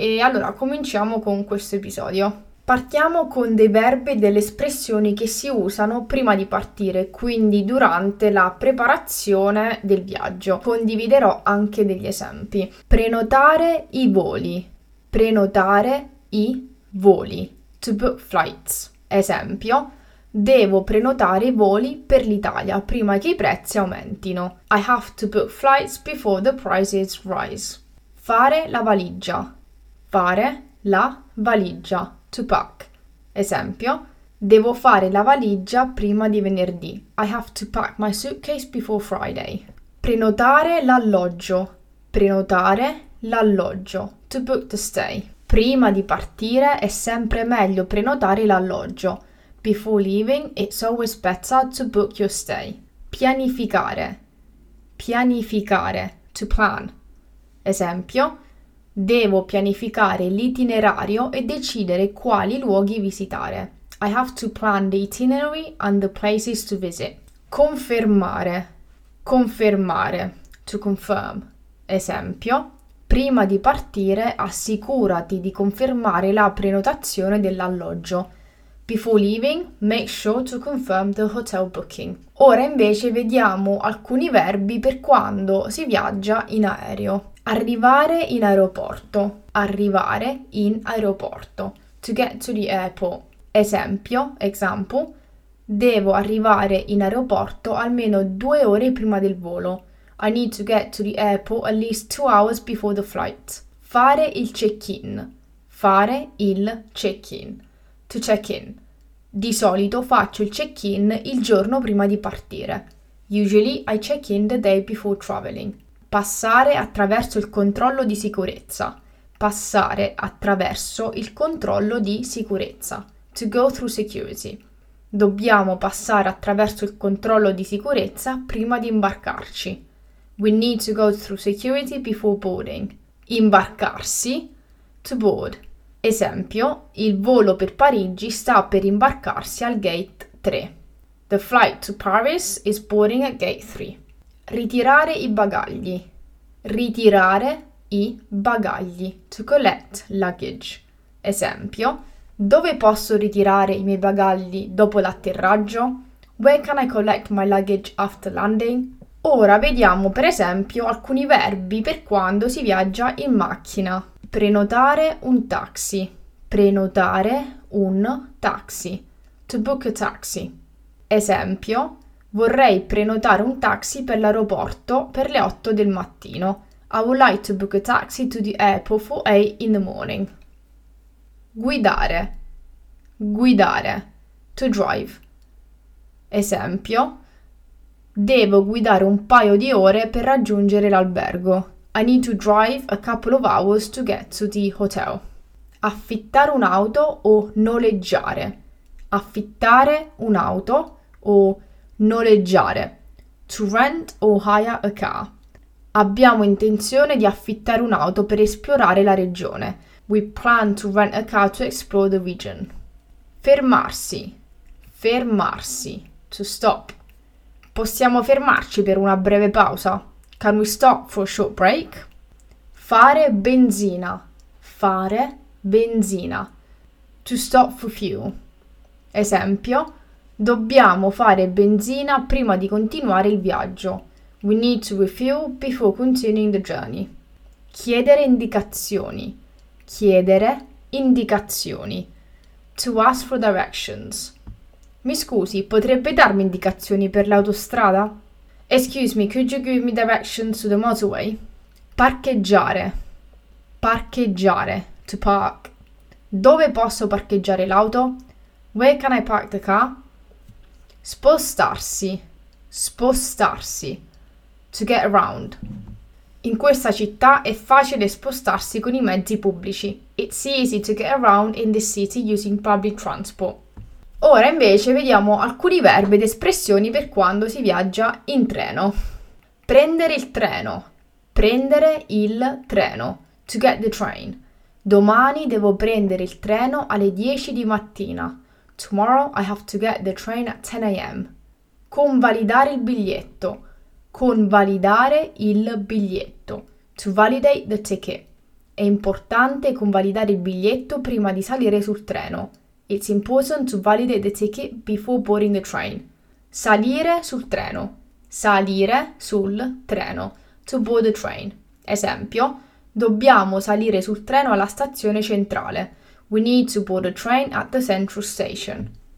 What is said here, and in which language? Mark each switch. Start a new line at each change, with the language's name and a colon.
Italian: E allora cominciamo con questo episodio. Partiamo con dei verbi e delle espressioni che si usano prima di partire, quindi durante la preparazione del viaggio. Condividerò anche degli esempi. Prenotare i voli. Prenotare i voli.
English: To book flights.
Italian: Esempio: devo prenotare i voli per l'Italia prima che i prezzi aumentino.
English: I have to book flights before the prices rise.
Italian: Fare la valigia. Fare la valigia.
English: To pack.
Italian: Esempio: devo fare la valigia prima di venerdì.
English: I have to pack my suitcase before Friday.
Italian: Prenotare l'alloggio. Prenotare l'alloggio.
English: To book the stay.
Italian: Prima di partire è sempre meglio prenotare l'alloggio.
English: Before leaving, it's always better to book your stay.
Italian: Pianificare. Pianificare.
English: To plan.
Italian: Esempio: devo pianificare l'itinerario e decidere quali luoghi visitare.
English: I have to plan the itinerary and the places to visit.
Italian: Confermare. Confermare.
English: To confirm.
Italian: Esempio: prima di partire, assicurati di confermare la prenotazione dell'alloggio.
English: Before leaving, make sure to confirm the hotel booking.
Italian: Ora invece vediamo alcuni verbi per quando si viaggia in aereo. Arrivare in aeroporto. Arrivare in aeroporto.
English: To get to the airport. Esempio, example.
Italian: Devo arrivare in aeroporto almeno 2 ore prima del volo.
English: I need to get to the airport at least 2 hours before the flight.
Italian: Fare il check-in. Fare il check-in.
English: To check in.
Italian: Di solito faccio il check-in il giorno prima di partire.
English: Usually I check in the day before traveling.
Italian: Passare attraverso il controllo di sicurezza. Passare attraverso il controllo di sicurezza.
English: To go through security.
Italian: Dobbiamo passare attraverso il controllo di sicurezza prima di imbarcarci.
English: We need to go through security before boarding. Imbarcarsi. To board.
Italian: Esempio: il volo per Parigi sta per imbarcarsi al gate 3.
English: The flight to Paris is boarding at gate 3.
Italian: Ritirare i bagagli. Ritirare i bagagli.
English: To collect luggage.
Italian: Esempio: dove posso ritirare i miei bagagli dopo l'atterraggio?
English: Where can I collect my luggage after landing?
Italian: Ora vediamo per esempio alcuni verbi per quando si viaggia in macchina. Prenotare un taxi. Prenotare un taxi.
English: To book a taxi.
Italian: Esempio: vorrei prenotare un taxi per l'aeroporto per le 8 del mattino.
English: I would like to book a taxi to the airport for 8 in the morning.
Italian: Guidare. Guidare.
English: To drive.
Italian: Esempio: devo guidare un paio di ore per raggiungere l'albergo.
English: I need to drive a couple of hours to get to the hotel.
Italian: Affittare un'auto o noleggiare. Affittare un'auto o noleggiare.
English: To rent or hire a car.
Italian: Abbiamo intenzione di affittare un'auto per esplorare la regione.
English: We plan to rent a car to explore the region.
Italian: Fermarsi. Fermarsi.
English: To stop.
Italian: Possiamo fermarci per una breve pausa?
English: Can we stop for a short break?
Italian: Fare benzina. Fare benzina.
English: To stop for fuel. Esempio.
Italian: Dobbiamo fare benzina prima di continuare il viaggio.
English: We need to refuel before continuing the journey.
Italian: Chiedere indicazioni. Chiedere indicazioni.
English: To ask for directions.
Italian: Mi scusi, potrebbe darmi indicazioni per l'autostrada?
English: Excuse me, could you give me directions to the motorway?
Italian: Parcheggiare. Parcheggiare.
English: To park.
Italian: Dove posso parcheggiare l'auto?
English: Where can I park the car?
Italian: Spostarsi. Spostarsi.
English: To get around.
Italian: In questa città è facile spostarsi con i mezzi pubblici.
English: It's easy to get around in this city using public transport.
Italian: Ora invece vediamo alcuni verbi ed espressioni per quando si viaggia in treno. Prendere il treno. Prendere il treno.
English: To get the train.
Italian: Domani devo prendere il treno alle 10 di mattina.
English: Tomorrow I have to get the train at 10 a.m.
Italian: Convalidare il biglietto. Convalidare il biglietto.
English: To validate the ticket.
Italian: È importante convalidare il biglietto prima di salire sul treno.
English: It's important to validate the ticket before boarding the train.
Italian: Salire sul treno. Salire sul treno.
English: To board the train.
Italian: Esempio. Dobbiamo salire sul treno alla stazione centrale.
English: We need to board the train at the central station.